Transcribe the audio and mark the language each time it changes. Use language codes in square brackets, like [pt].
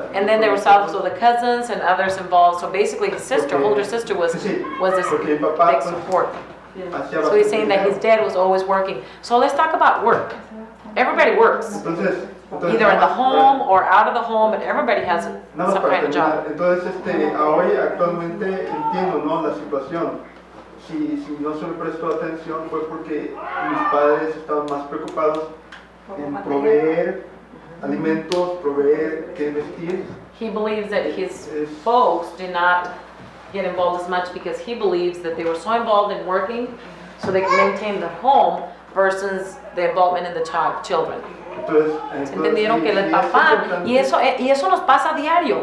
[en] And then there were also the cousins and others involved. So basically his sister, older sister, was this big support. So he's saying that his dad was always working. So let's talk about work. Everybody works. Either in the home or out of the home, but everybody has some kind of job. [es] Entonces, hoy actualmente entiendo, ¿no?, la situación. Si no se me prestó atención fue porque mis padres estaban más preocupados en proveer alimentos, proveer que vestir. [en] He believes that his folks did not get involved as much because he believes that they were so involved in working so they could maintain the home versus the involvement in the children. [es] Entonces, entendieron que el papá, y eso nos pasa a diario.